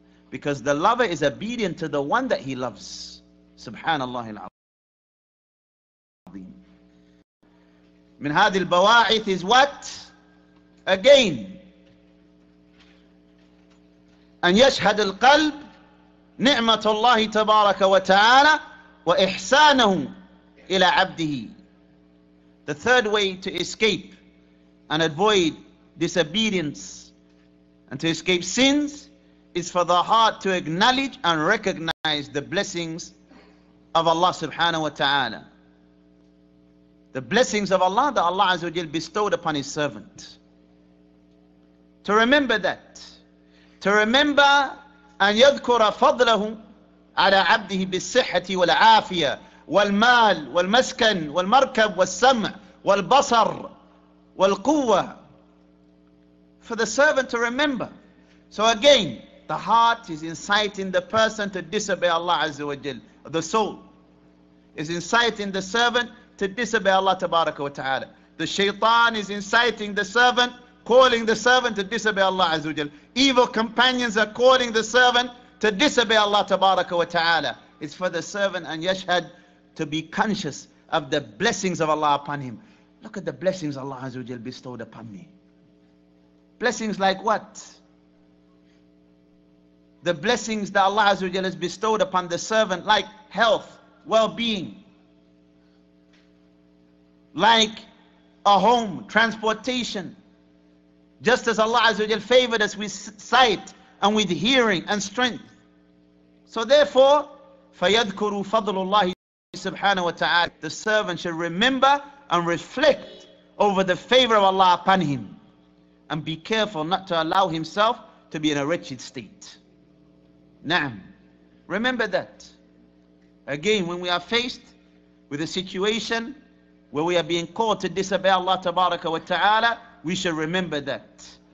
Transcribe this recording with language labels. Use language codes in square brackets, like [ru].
[en] Because the lover is obedient to the one that he loves. Subhanallah al-Azim. [ar] Min hadhi al-bawa'ith [en] is what? Again. [ar] أن يشهد القلب نعمة الله تبارك وتعالى وإحسانه إلى عبده. [en] The third way to escape and avoid disobedience and to escape sins is for the heart to acknowledge and recognize the blessings of Allah subhanahu wa ta'ala. The blessings of Allah that Allah Azza wa Jal bestowed upon His servant. To remember that. To remember [ar] أن يذكر فضله على عبده بالصحة والعافية والمال والمسكن والمركب والسمع والبصر والقوة. [en] For the servant to remember. So again, the heart is inciting the person to disobey Allah Azza wa Jal. The soul is inciting the servant to disobey Allah Tabaraka wa Ta'ala. The shaitan is inciting the servant, calling the servant to disobey Allah Azza wa Jal. Evil companions are calling the servant to disobey Allah Tabaraka wa Ta'ala. It's for the servant and yashhad to be conscious of the blessings of Allah upon him. Look at the blessings Allah Azza wa Jal bestowed upon me. Blessings like what? The blessings that Allah Azza wa Jal has bestowed upon the servant, like health, well-being, like a home, transportation. Just as Allah Azza wa Jal favored us with sight and with hearing and strength. So therefore, [ar] فَيَذْكُرُوا فَضْلُ اللَّهِ سُبْحَانَهُ وَتَعَالَى. [en] The servant should remember and reflect over the favor of Allah upon him and be careful not to allow himself to be in a wretched state. Na'am. Remember that. Again, when we are faced with a situation where we are being called to disobey Allah Tabaraka wa Ta'ala, we should remember that.